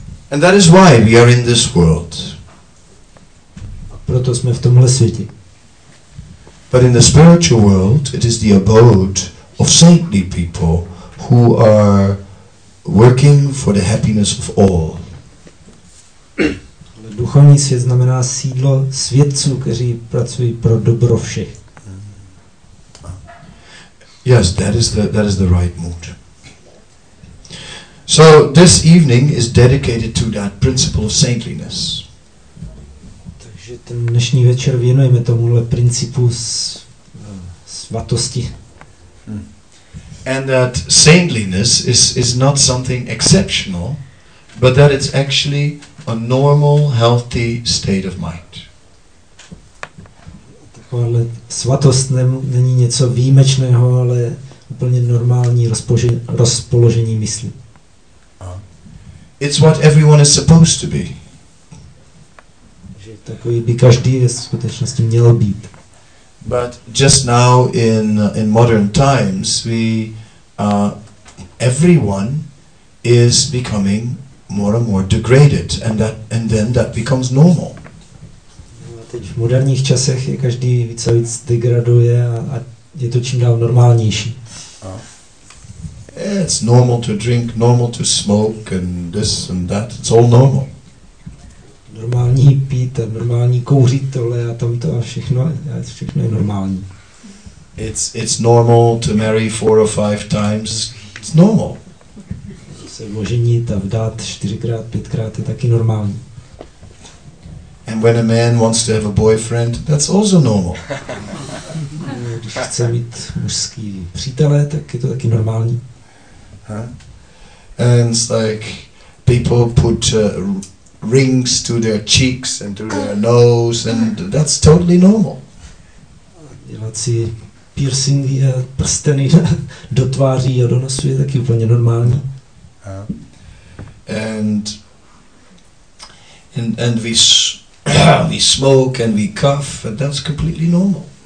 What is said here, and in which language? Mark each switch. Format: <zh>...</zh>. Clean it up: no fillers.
<en>And that is why we are in this world.</en> <cs>A proto jsme v tomhle světě.</cs> <en>But in the spiritual world, it is the abode of saintly people who are working for the happiness of all.</en> <cs>Duchovní svět znamená sídlo světců, kteří pracují pro dobro všech.</cs> <en>Yes, that is the right mood. So this evening is dedicated to that principle of saintliness.</en> <cs>Takže ten dnešní večer věnujeme tomuhle principu svatosti.</cs> <en>And that saintliness is not something exceptional, but that it's actually a normal, healthy state of mind.</en> <cs>Takováhle svatost není něco výjimečného, ale úplně normální rozpoložení mysli.</cs> <en>It's what everyone is supposed to be.</en> <cs>Že takový by každý ve skutečnosti měl být.</cs> <en>But just now in modern times, everyone is becoming more and more degraded, and then that becomes normal.</en> <cs>A teď v moderních časech je každý víc a víc degraduje a je to čím dál normálnější.</cs> <en>It's normal to drink, normal to smoke, and this and that. It's all normal.</en> <cs>Normální pít, normální kouřit tohle a tamto a všechno je normální.</cs> <en>It's normal to marry 4 or 5 times. It's normal.</en> <cs>Se oženit a vdát 4x, 5x je taky normální.</cs> <en>And when a man wants to have a boyfriend, that's also normal.</en> <cs>Když chce mít mužský přítele, tak je to taky normální. Huh?</cs> <en>And it's like people put rings to their cheeks and to their nose, and that's totally normal.</en> <cs>Dělat si piercingy a prsteny do tváří a do nosu je taky úplně normální.</cs> <en>And we we smoke and we cough, and that's completely normal.</en>